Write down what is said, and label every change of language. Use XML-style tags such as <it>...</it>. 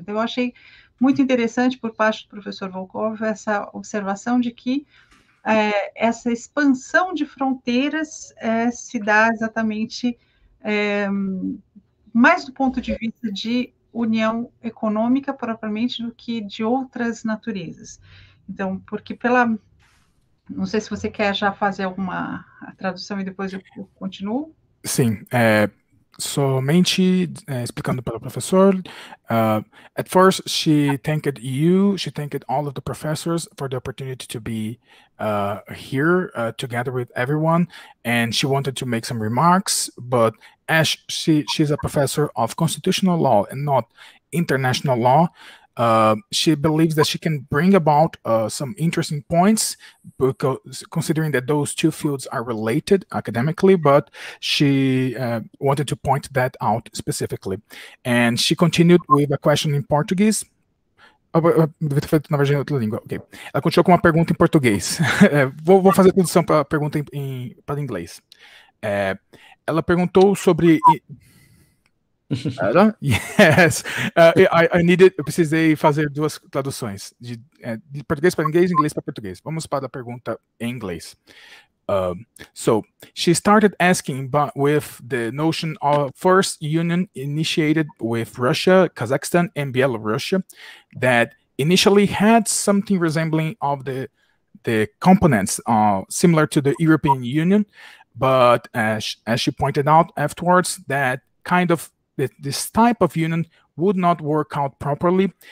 <pt>Então, eu achei muito interessante, por parte do professor Volkov, essa observação de que essa expansão de fronteiras se dá exatamente... mais do ponto de vista de união econômica, propriamente, do que de outras naturezas. Então, porque pela... Não sei se você quer já fazer alguma tradução e depois eu continuo. Sim. Somente explicando para o professor,</pt> <en>at first she thanked all of the professors for the opportunity to be here together with everyone, and she wanted to make some remarks, but as she's a professor of constitutional law and not international law, she believes that she can bring about some interesting points, because considering that those two fields are related academically, but she wanted to point that out specifically. And she continued with a question in Portuguese.</en> <pt>Okay. Ela continuou com uma pergunta em português. vou fazer a tradução para a pergunta para inglês. Ela perguntou sobre... Yes, eu precisei fazer duas traduções, de português para inglês, inglês para português. Vamos para a pergunta em inglês.</pt> <en>So, she started asking with the notion of first union initiated with Russia, Kazakhstan, and Belarus, that initially had something resembling of the components similar to the European Union, but as she pointed out afterwards, that kind of this type of union would not work out properly.</en>